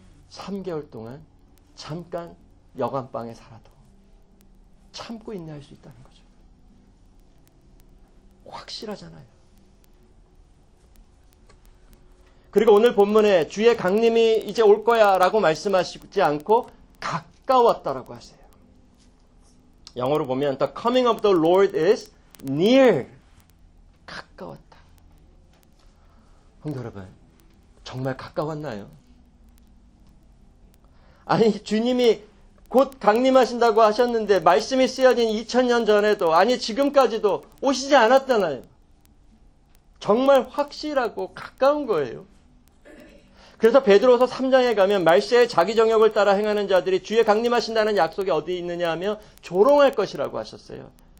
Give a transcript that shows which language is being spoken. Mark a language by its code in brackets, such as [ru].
[ko] 3개월 동안 잠깐 여관방에 살아도 참고 인내할 수 있다는 거죠. 확실하잖아요. 그리고 오늘 본문에 주의 강림이 이제 올 거야 라고 말씀하시지 않고 가까웠다라고 하세요. 영어로 보면 [en] The coming of the Lord is near. [ko] 가까웠다. 성도 여러분, 정말 가까웠나요? 아니 주님이 곧 강림하신다고 하셨는데 말씀이 쓰여진 2000년 전에도 아니 지금까지도 오시지 않았잖아요. 정말 확실하고 가까운 거예요. 그래서 베드로서 3장에 가면 말세에 자기 정욕을 따라 행하는 자들이 주의 강림하신다는 약속이 어디 있느냐 하며 조롱할 것이라고 하셨어요.